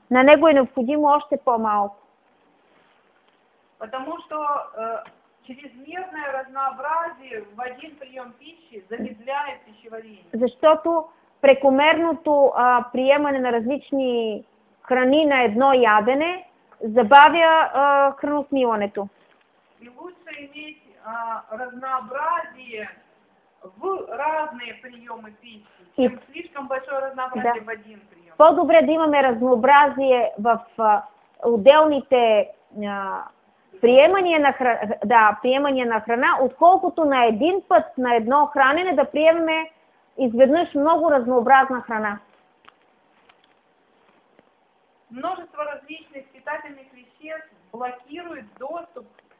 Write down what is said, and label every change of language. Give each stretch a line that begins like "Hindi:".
Bulgarian: На него е необходимо още по-малко.
Russian: Потому что чрезмерное разнообразие в один прием пищи замедляет пищеварение.
Bulgarian: Защото прекомерното приемане на различни храни на едно ядене забавя храносмилането.
Russian: И лучше иметь разнообразие в разные приемы пищи, чем слишком большое разнообразие в один прием.
Bulgarian: По-добре да имаме разнообразие в отделните приемания на храна, отколкото на един път, на едно хранене, да приемаме изведнъж много разнообразна храна.
Russian: Множество различных питательных веществ блокирует доступ к